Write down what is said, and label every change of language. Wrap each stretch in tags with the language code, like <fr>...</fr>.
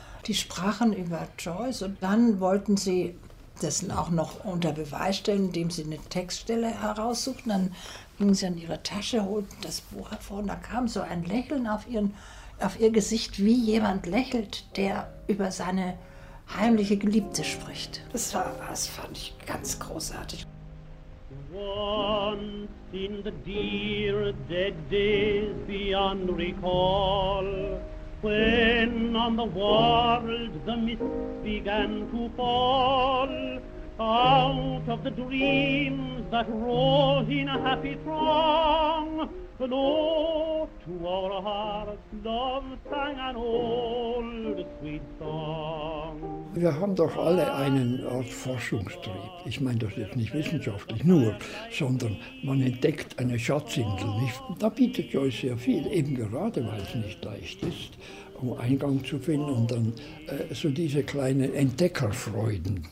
<de>Die sprachen über Joyce und dann wollten sie das auch noch unter Beweis stellen, indem sie eine Textstelle heraussuchten. Dann gingen sie an ihre Tasche, holten das Buch hervor und da kam so ein Lächeln auf ihr Gesicht, wie jemand lächelt, der über seine heimliche Geliebte spricht. Das fand ich ganz großartig.</de> <en>Once in the dear dead days beyond recall, when on the world the mist began to fall, out of the dreams that roll in a happy throng, glow to our hearts, love sang an old sweet song.</en> <de>Wir haben doch alle einen Art Forschungstrieb. Ich meine das jetzt nicht wissenschaftlich nur, sondern man entdeckt eine Schatzinsel. Da bietet Joyce sehr viel, eben gerade weil es nicht leicht ist, um Eingang zu finden und dann so diese kleinen Entdeckerfreuden.</de>